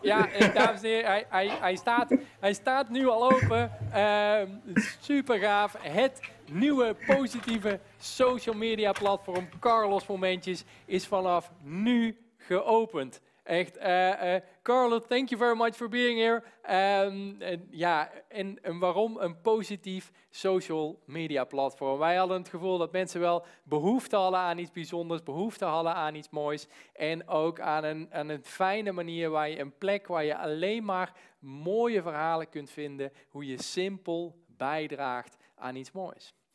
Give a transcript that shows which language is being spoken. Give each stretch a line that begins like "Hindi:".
Dutch: Ja, dames en heren, hij staat nu al open. Super gaaf. Het nieuwe positieve social media platform Carlos Momentjes is vanaf nu geopend.
English: Echt, Carlos, thank you very much for being here.
Dutch: Ja, en waarom een positief social media platform? Wij hadden het gevoel dat mensen wel behoefte hadden aan iets bijzonders, behoefte hadden aan iets moois. En ook aan een fijne manier waar je een plek waar je alleen maar mooie verhalen kunt vinden, hoe je simpel bijdraagt aan iets moois.